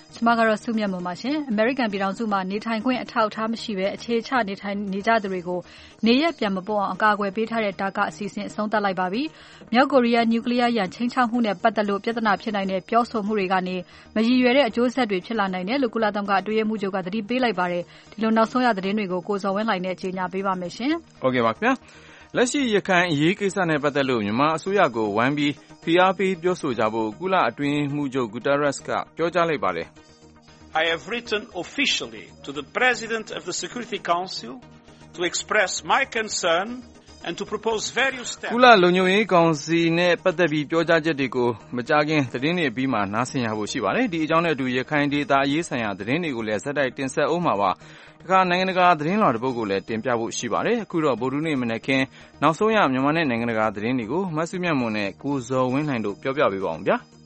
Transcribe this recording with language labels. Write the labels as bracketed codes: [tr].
[my] ကျွန်မကတော့စုမြတ်မှပါရှင် American ပြည်ထောင်စုမှာနေထိုင်ခွင့်အထောက်အထားမရှိဘဲအခြေချနေထိုင်နေကြသူတွေကိုနေရက်ပြန်မပေါ်အောင်အကာအကွယ်ပေးထားတဲ့ဒါကအစီအစဉ်အဆုံးသတ်လိုက်ပါပြီမြောက်ကိုရီးယားနျူကလ িয়ার ရန်ချင်းချောက်မှုနဲ့ပတ်သက်လို့ပြဿနာဖြစ်နိုင်တဲ့ပြောဆိုမှုတွေကနေမရည်ရွယ်တဲ့အကျိုးဆက်တွေဖြစ်လာနိုင်တယ်လို့ကုလသမဂ္ဂအတွေ့အမှုချုပ်ကသတိပေးလိုက်ပါတယ်ဒီလိုနောက်ဆုံးရသတင်းတွေကိုကိုစော်ဝင်းလိုက်နဲ့အကြေညာပေးပါမယ်ရှင်ဟုတ်ကဲ့ပါခင်ဗျာလက်ရှိရခိုင်အရေးကိစ္စနဲ့ပတ်သက်လို့မြန်မာအစိုးရကိုဝမ်းပြီးဖိအားပေးပြောဆိုကြဖို့ကုလအတွင်းမှုချုပ်ဂူတာရက်စ်ကပြောကြားလိုက်ပါတယ် [en] I have written officially to the president of the security council to express my concern and to propose various steps [my] ကုလလုံခြုံရေးကောင်စီနဲ့ပတ်သက်ပြီးပြောကြားချက်တွေကိုမကြားခင်သတင်းတွေပြီးမှနားဆင်ရဖို့ရှိပါတယ်ဒီအကြောင်းနဲ့အတူရခိုင်ဒေသအရေးဆိုင်ရာသတင်းတွေကိုလည်းဇက်တိုက်တင်ဆက်အောင်မှာပါကနိုင်ငံတကာသတင်းလောင်တပုတ်ကိုလည်းတင်ပြဖို့ရှိပါတယ်အခုတော့ဗိုလ်ဒူးနေမနေခင်နောက်ဆုံးရမြန်မာနိုင်ငံတကာသတင်းတွေကိုမဆုမြတ်မွန်နဲ့ကိုဇော်ဝင်းလှိုင်တို့ပြောပြပေးပါအောင်ဗျာ